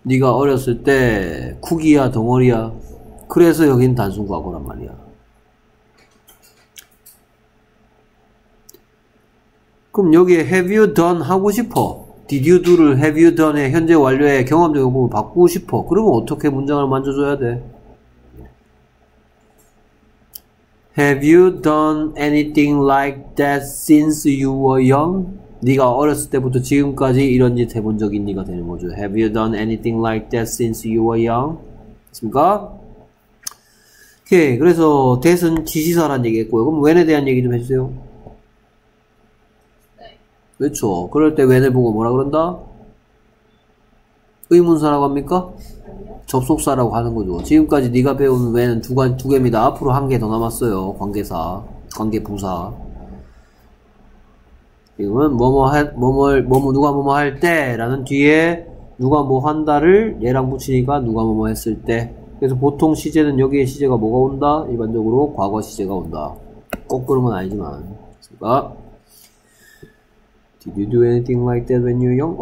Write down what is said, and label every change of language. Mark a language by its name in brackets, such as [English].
[Korean] 네가 어렸을 때 쿠기야 덩어리야. 그래서 여긴 단순 과거란 말이야. 그럼 여기에 have you done 하고 싶어. Did you do를 have you done의 현재 완료의 경험적 용법을 바꾸고 싶어. 그러면 어떻게 문장을 만져줘야 돼? [English] Have you done anything like that since you were young? [Korean] 네가 어렸을 때부터 지금까지 이런 짓 해본 적 있니가 되는 거죠. [English] Have you done anything like that since you were young? [Korean] 됐습니까? 오케이. 그래서 that은 지시사란 얘기했고요. 그럼 when에 대한 얘기 좀 해주세요. 그렇죠. 그럴 때 when을 보고 뭐라 그런다? 의문사라고 합니까? 접속사라고 하는 거죠. 지금까지 네가 배운 when은 두 개입니다. 앞으로 한 개 더 남았어요. 관계사, 관계부사. 지금은 뭐뭐 할 때라는 뒤에 누가 뭐 한다를 얘랑 붙이니까 누가 뭐뭐 했을 때. 그래서 보통 시제는 여기에 시제가 뭐가 온다? 일반적으로 과거 시제가 온다. 꼭 그런 건 아니지만. [English] 그러니까 Did you do anything like that when you were young?